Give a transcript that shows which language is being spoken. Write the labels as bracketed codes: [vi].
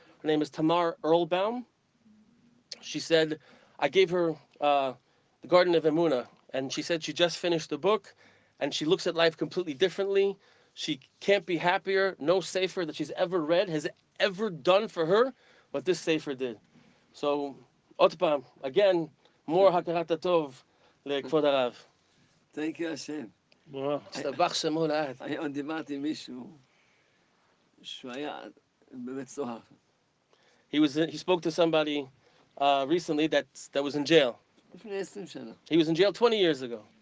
[en] Her name is Tamar Earlbaum. She said, I gave her the Garden of Emuna, and she said she just finished the book, and she looks at life completely differently. She can't be happier, no sefer that she's ever read has ever done for her what this sefer did. So, [he] עוד פעם, [en] again, more הכרת הטוב לכבוד הרב. Thank you, Hashem. [he] השתבח שמו לעד. היום דיברתי עם מישהו שהוא היה בבית סוהר. [en] He spoke to somebody recently that was in jail. He was in jail 20 years ago.